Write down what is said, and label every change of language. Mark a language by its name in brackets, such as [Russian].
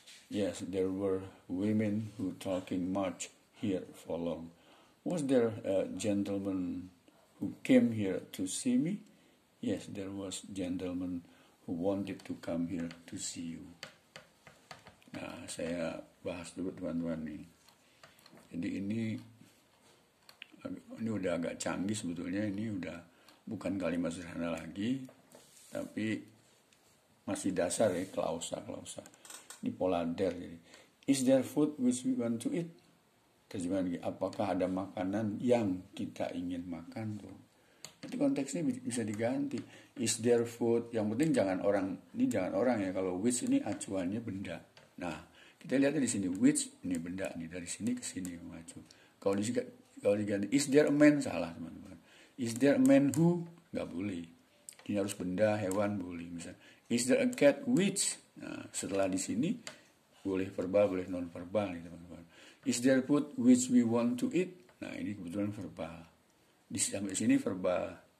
[English] Yes, there were women who talking much here for long. Was there a gentleman who came here to see me? Yes, there was gentleman who wanted to come here to see you. [Indonesian] Nah, saya bahas dulu teman-teman nih. Jadi ini udah agak canggih sebetulnya, ini udah bukan kalimat sederhana lagi, tapi masih dasar ya, klausa. Ini pola der. [English] Is there food which we want to eat? [Indonesian] Terjemahan lagi, apakah ada makanan yang kita ingin makan tuh? Itu konteksnya bisa diganti. [English] Is there food? [Indonesian] Yang penting jangan orang, ini jangan orang ya, kalau which ini acuannya benda. Nah, kita lihat di sini which ini benda nih, dari sini ke sini mengacu. Kalau diganti [English] is there a man, [Indonesian] salah teman-teman. [English] Is there a man who, [Indonesian] enggak boleh. Ini harus benda, hewan boleh. Misal, [English] is there a cat which? [Indonesian] Nah, setelah di sini boleh verbal, boleh non verbal nih teman-teman. [English] Is there food which we want to eat? [Indonesian] Nah, ini kebetulan verbal. Di sampai sini verbal.